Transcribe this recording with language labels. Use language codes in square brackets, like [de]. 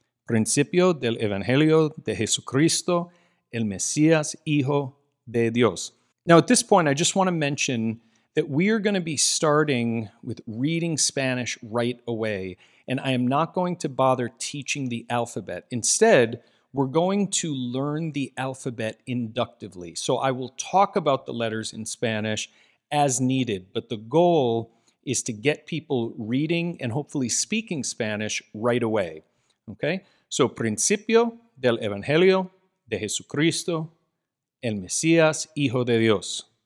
[es] Principio del Evangelio de Jesucristo, el Mesías, Hijo de Dios. [en] Now at this point, I just want to mention that we are going to be starting with reading Spanish right away, and I am not going to bother teaching the alphabet. Instead, we're going to learn the alphabet inductively. So I will talk about the letters in Spanish as needed, but the goal is to get people reading and hopefully speaking Spanish right away. Okay? [es] So, Principio del Evangelio de Jesucristo, el Mesías, Hijo de Dios.